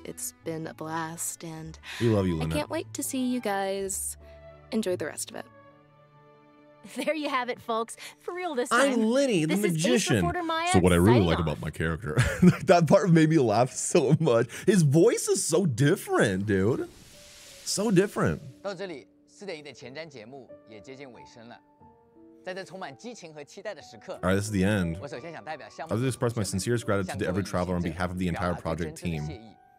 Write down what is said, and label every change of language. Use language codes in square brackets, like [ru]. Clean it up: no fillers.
[en] It's been a blast, and we love you, Lynette. I can't wait to see you guys enjoy the rest of it. There you have it, folks. For real this time. I'm Linny, the magician. This is Ace Reporter Maya. So what I really like about my character, that part made me laugh so much. His voice is so different, dude. So different. [zh] 到这里, 4.1的前瞻节目也接近尾声了。 [en] Alright, this is the end. I would express my sincerest gratitude to every traveler on behalf of the entire project team.